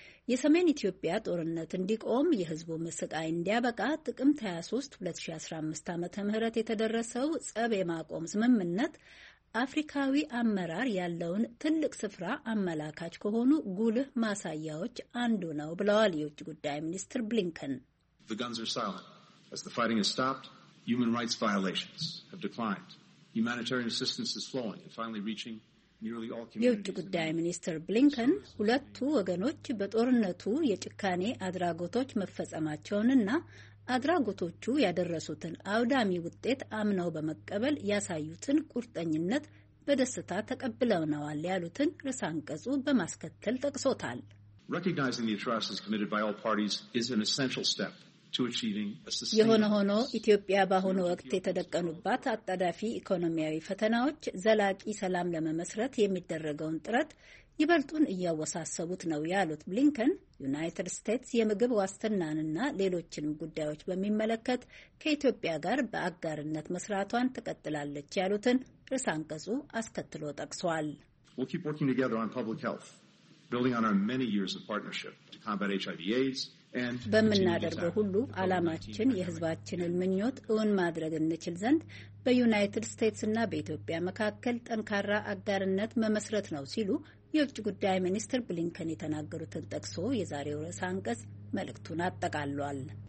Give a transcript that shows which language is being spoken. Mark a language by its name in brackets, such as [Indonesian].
[Amharic] የሰሜን ኢትዮጵያ ጦርነት እንዲቆም፣ የህዝቡ መስቃይ እንዲያበቃ ጥቅምት 23 2015 ዓ.ም ምህረት የተደረሰው ጸብ የማቆም ስምምነት አፍሪካዊ አመራር ያለውን ትልቅ ስፍራ አመላካች ከሆኑ ጉልህ ማሳያዎች አንዱ ነው ብለዋል የውጭ ጉዳይ ሚኒስትር ብሊንከን። [English] The guns are silent as the fighting has stopped. Human rights violations have declined. Humanitarian assistance is flowing and finally reaching [Amharic] የውጭ ጉዳይ ሚኒስትር ብሊንከን ሁለቱ ወገኖች በጦርነቱ የጭካኔ አድራጎቶች መፈጸማቸውንና አድራጎቶቹ ያደረሱትን አውዳሚ ውጤት አምነው በመቀበል ያሳዩትን ቁርጠኝነት በደስታ ተቀብለውናል ያሉትን ርዕሰ አንቀጹ በማስከተል ጠቅሶታል። [English] Recognizing the atrocities committed by all parties is an essential step. [Amharic] የሆነ ሆኖ ኢትዮጵያ በአሁኑ ወቅት የተደቀኑባት አጣዳፊ ኢኮኖሚያዊ ፈተናዎች ዘላቂ ሰላም ለመመስረት የሚደረገውን ጥረት ይበልጡን እያወሳሰቡት ነው ያሉት ብሊንከን ዩናይትድ ስቴትስ የምግብ ዋስትናንና ሌሎችንም ጉዳዮች በሚመለከት ከኢትዮጵያ ጋር በአጋርነት መስራቷን ትቀጥላለች ያሉትን ርዕሰ አንቀጹ አስከትሎ ጠቅሷል። [English] We'll keep working together on public health, building on our many years of partnership to combat HIV/AIDS. [Amharic] በምናደርገው ሁሉ ዓላማችን የሕዝባችንን ምኞት እውን ማድረግ እንችል ዘንድ በዩናይትድ ስቴትስ እና በኢትዮጵያ መካከል ጠንካራ አጋርነት መመስረት ነው ሲሉ የውጭ ጉዳይ ሚኒስትር ብሊንከን የተናገሩትን ጠቅሶ የዛሬው ርዕሰ አንቀጽ መልእክቱን አጠቃሏል።